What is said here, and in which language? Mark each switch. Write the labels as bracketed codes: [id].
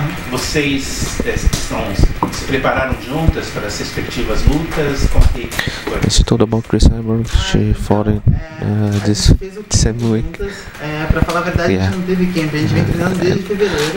[pt] Vocês estão se prepararam juntas para as respectivas lutas? [en] It's all about Chris Cyborg, she fought in this same week. [pt] Para falar a verdade, a gente não teve camp, a gente vem treinando desde fevereiro.